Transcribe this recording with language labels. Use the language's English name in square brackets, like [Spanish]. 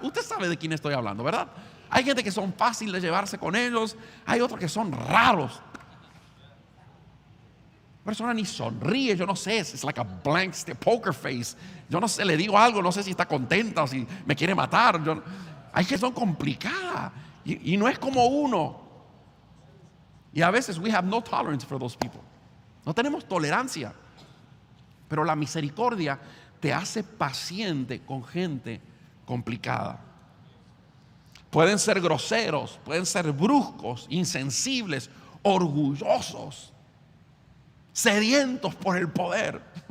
[Spanish] Usted sabe de quién estoy hablando, ¿verdad? Hay gente que son fáciles de llevarse con ellos, hay otros que son raros. Persona ni sonríe, yo no sé, es [English] like a blank poker face. [Spanish] Yo no sé, le digo algo, no sé si está contenta o si me quiere matar. Hay gente que son complicada y no es como uno. Y a veces [English] we have no tolerance for those people. [Spanish] No tenemos tolerancia. Pero la misericordia te hace paciente con gente complicada. Pueden ser groseros, pueden ser bruscos, insensibles, orgullosos, sedientos por el poder.